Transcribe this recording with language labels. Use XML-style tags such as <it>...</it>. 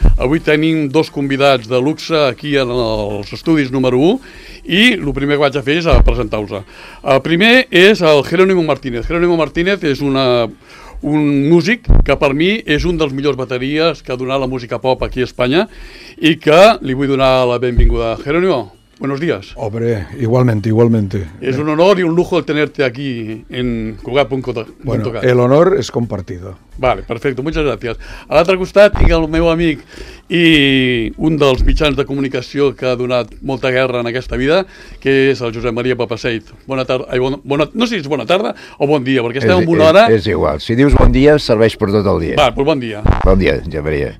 <ca>Avui tenim dos convidats de luxe aquí en els estudis número 1 i el primer que vaig a fer és presentar-vos. El primer és el Jerónimo Martínez. Jerónimo Martínez és un músic que per mi és un dels millors bateries que ha donat la música pop aquí a Espanya i que li vull donar la benvinguda.</ca> <es>Jerónimo, buenos días. Hombre, igualmente, igualmente. Es un honor y un lujo tenerte aquí en Cugat.cat. Bueno, el honor es compartido. Vale, perfecto, muchas gracias.</es> <ca>A l'altre costat tinc el meu amic i un dels mitjans de comunicació que ha donat molta guerra en aquesta vida, que és el Josep Maria Papaseit. Bona tarda, no sé si és bona tarda o bon dia, perquè estem en una hora... És igual, si dius bon dia serveix per tot el dia. Vale, pues bon dia. Bon dia, Josep Maria.</ca>